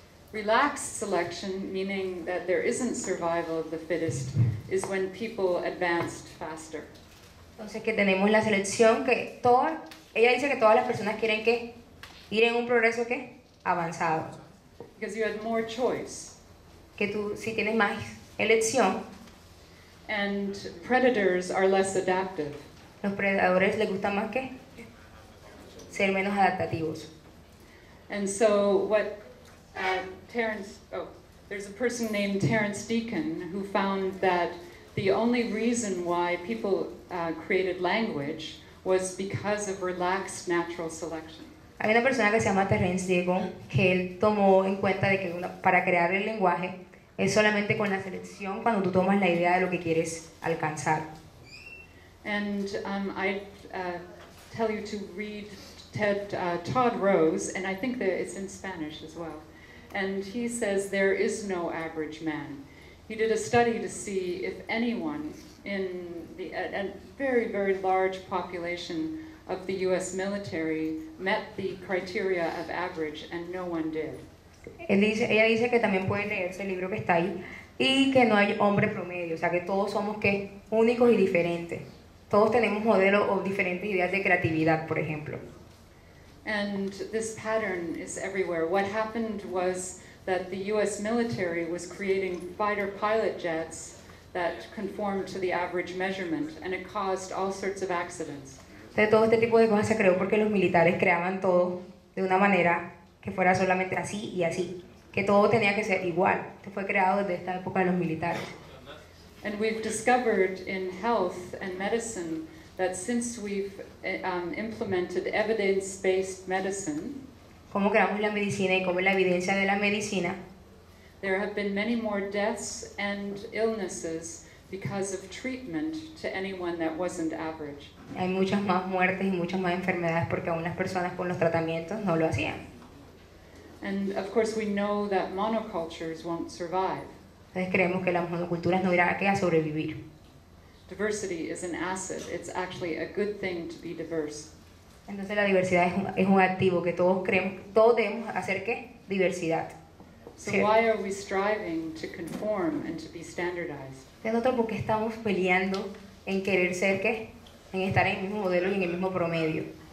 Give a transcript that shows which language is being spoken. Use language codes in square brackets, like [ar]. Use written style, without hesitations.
[en] Relaxed selection, meaning that there isn't survival of the fittest, is when people advanced faster. [es] Entonces que tenemos la selección que ella dice que todas las personas quieren que ir en un progreso que avanzado. [en] Because you had more choice. [es] Que tú si tienes más elección. [en] And predators are less adaptive. [es] Los predadores les gusta más que ser menos adaptativos. [en] And so what there's a person named Terence Deacon who found that the only reason why people created language was because of relaxed natural selection. [es] Hay una persona que se llama Terence Deacon que él tomó en cuenta de que para crear el lenguaje es solamente con la selección cuando tú tomas la idea de lo que quieres alcanzar. [en] And I tell you to read Ted Todd Rose, and I think that it's in Spanish as well. And he says there is no average man. He did a study to see if anyone in the a very very large population of the U.S. military met the criteria of average, and no one did. [es] Ella dice que también puede leerse el libro que está ahí, y que no hay hombre promedio, o sea que todos somos que únicos y diferentes. Todos tenemos modelos o diferentes ideas de creatividad, por ejemplo. [en] And this pattern is everywhere. What happened was that the U.S. military was creating fighter pilot jets that conformed to the average measurement, and it caused all sorts of accidents. [es] De todo este tipo de cosas se creó porque los militares creaban todo de una manera que fuera solamente así y así, que todo tenía que ser igual. Esto fue creado desde esta época de los militares. [en] And we've discovered in health and medicine that since we've implemented evidence-based medicine, [es] cómo creamos la medicina y cómo es la evidencia de la medicina, [en] there have been many more deaths and illnesses because of treatment to anyone that wasn't average. [es] Hay muchas más muertes y muchas más enfermedades porque aún las personas con los tratamientos no lo hacían. [en] And of course we know that monocultures won't survive. [es] Entonces creemos que las monoculturas no irán a sobrevivir. [en] Diversity is an asset. It's actually a good thing to be diverse. [es] Entonces la diversidad es un activo que todos creemos, todos debemos hacer ¿qué? Diversidad. [en] So why are we striving to conform and to be standardized? [es] ¿De nosotros por qué estamos peleando en querer ser qué? En estar en el mismo modelo y en el mismo promedio.